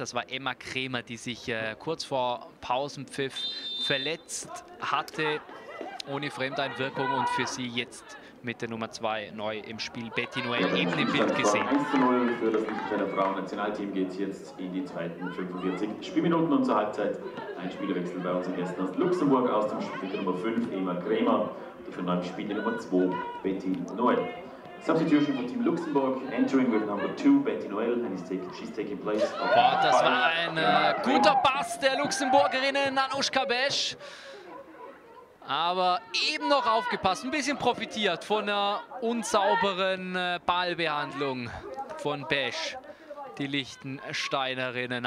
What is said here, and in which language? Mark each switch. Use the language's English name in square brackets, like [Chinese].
[German] Das war Emma Krämer, die sich kurz vor Pausenpfiff verletzt hatte, ohne Fremdeinwirkung, und für sie jetzt mit der Nummer 2 neu im Spiel. Betty Noel eben im Bild gesehen. 1:0 für das Liechtensteiner Frauennationalteam geht es jetzt in die zweiten 45 Spielminuten und zur Halbzeit ein Spielwechsel bei unseren Gästen aus Luxemburg, aus dem Spiel Nummer 5 Emma Krämer, die von neuem Spieler Nummer 2 Betty Noel. [English] Substitution von Team Luxemburg, entering with number 2 Betty Noel, and she's taking place. [German] Boah, das war ein guter Pass der Luxemburgerinnen Anuschka Besch. Aber eben noch aufgepasst, ein bisschen profitiert von einer unsauberen Ballbehandlung von Besch, die Liechtensteinerinnen.